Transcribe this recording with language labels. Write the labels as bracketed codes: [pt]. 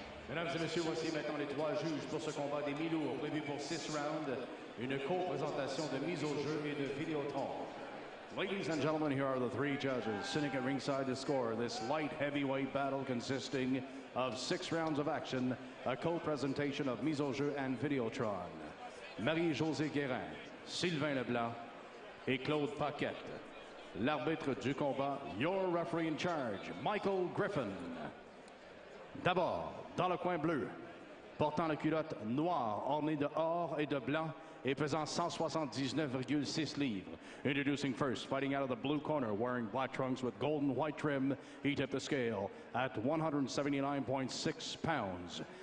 [fr] Mesdames et messieurs, voici maintenant les trois juges pour ce combat des mi-lourds prévu pour 6 rounds. Une co-présentation de mise au jeu et de Vidéotron. [en] Ladies and gentlemen, here are the three judges sitting at ringside to score this light heavyweight battle consisting of 6 rounds of action, a co-presentation of mise au jeu and Vidéotron. [fr] Marie-Josée Guérin, Sylvain Leblanc et Claude Paquette. L'arbitre du combat, [en] your referee in charge, [fr] Michael Griffin. D'abord, dans le coin bleu, portant la culotte noire ornée de or et de blanc et pesant 179,6 livres. [en] Introducing first, fighting out of the blue corner, wearing black trunks with gold and white trim, he tipped the scale at 179.6 pounds.